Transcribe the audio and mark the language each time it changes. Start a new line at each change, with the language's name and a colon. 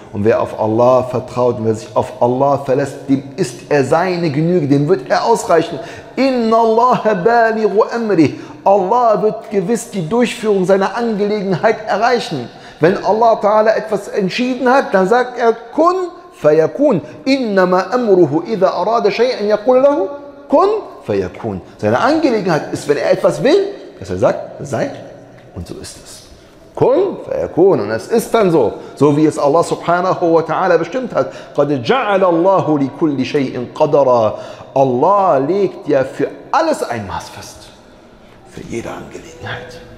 German: Und wer auf Allah vertraut und wer sich auf Allah verlässt, dem ist er seine Genüge, dem wird er ausreichen.
Arabic: إِنَّ اللَّهَ بَالِغُ أَمْرِهِ.
German: Allah wird gewiss die Durchführung seiner Angelegenheit erreichen. Wenn Allah ta'ala etwas entschieden hat, dann sagt er,
Arabic: كُنْ فَيَكُونْ. إِنَّمَا أَمْرُهُ إِذَا أَرَادَ شَيْئًا يَقُلْ لَهُ كُنْ فَيَكُونْ.
German: Seine Angelegenheit ist, wenn er etwas will, dass er sagt, sei, und so ist es.
Arabic: كُنْ فَيَكُونْ.
German: Und es ist dann so, so wie es Allah subhanahu wa ta'ala bestimmt hat.
Arabic: قَدْ جَعَلَ اللَّهُ لِكُلِّ شَيْءٍ قَدَرًا.
German: Allah legt ja für alles ein Maß fest. Für jede Angelegenheit.